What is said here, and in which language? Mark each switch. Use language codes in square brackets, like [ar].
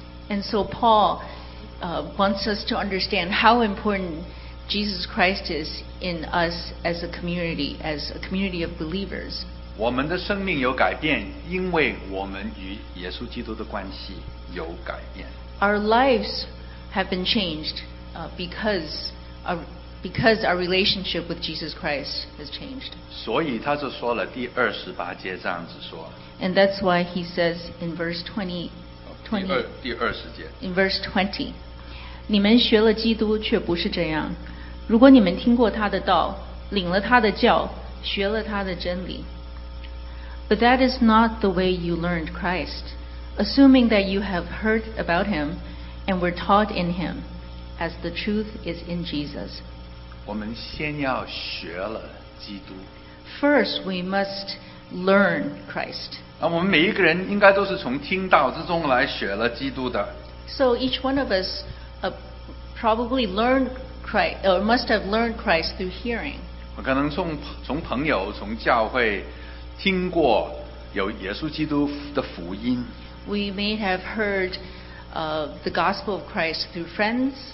[en] And so Paul wants us to understand how important Jesus Christ is in us as a community, as a community of believers. [zh] 我们的生命有改变，因为我们与耶稣基督的关系有改变。 [en] Our lives have been changed because our relationship with Jesus Christ has changed. [zh] 所以他就说了第二十八节这样子说。 [en] And that's why he says in verse 20. [zh] 第二十节。 [en] In verse 20, [zh] 你们学了基督却不是这样。如果你们听过他的道，领了他的教，学了他的真理。 [en] But that is not the way you learned Christ, assuming that you have heard about him and were taught in him. As the truth is in Jesus. [zh] 我们先要学了基督。 [en] First, we must learn Christ. [zh] 我们每一个人应该都是从听道之中来学了基督的。 [en] So each one of us probably learned Christ, or must have learned Christ through hearing. [zh] 我可能从朋友、从教会听过有耶稣基督的福音。 [en] We may have heard the gospel of Christ through friends.